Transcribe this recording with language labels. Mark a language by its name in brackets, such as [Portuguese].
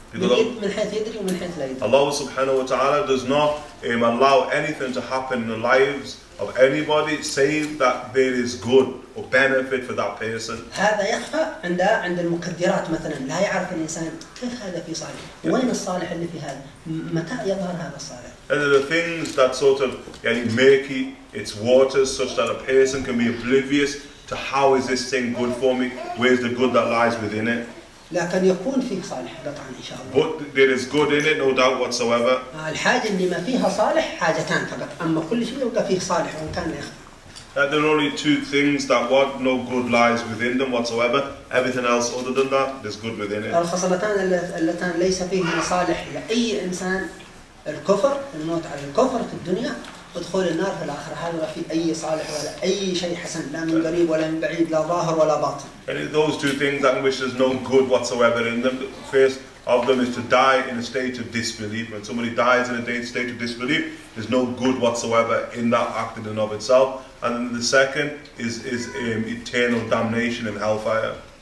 [English] Allah subhanahu wa ta'ala does not allow anything to happen in the lives of anybody save that there is good or benefit for that person. [Arabic] هذا يخفى عند المقدرات مثلا لا يعرف الإنسان كيف هذا في صالح وين الصالح اللي في هذا متى يظهر هذا الصالح. [English] And the things that sort of [Arabic] يعني [English] murky its waters such that a person can be oblivious to how is this thing good for me, where is the good that lies within it. [Arabic] لكن يكون في صالح قطعا إن شاء الله. [English] But there is good in it, no doubt whatsoever. [Arabic] الحاجة اللي ما فيها صالح حاجتان فقط أما كل شيء يبقى فيه صالح وإن كان يخفى. [English] That there are only two things that what no good lies within them whatsoever. Everything else other than that, there's good within it. [Arabic] الخصلتان اللتان ليس فيهما صالح لأي إنسان الكفر الموت على الكفر في الدنيا ودخول النار في الآخرة هذا لا في أي صالح ولا أي شيء حسن لا من قريب ولا من بعيد لا ظاهر ولا باطن. [English] And those two things that which is no good whatsoever in them, the first of them is to die in a state of disbelief. When somebody dies in a state of disbelief, there's no good whatsoever in that act in and of itself. And then the second is eternal damnation and hellfire.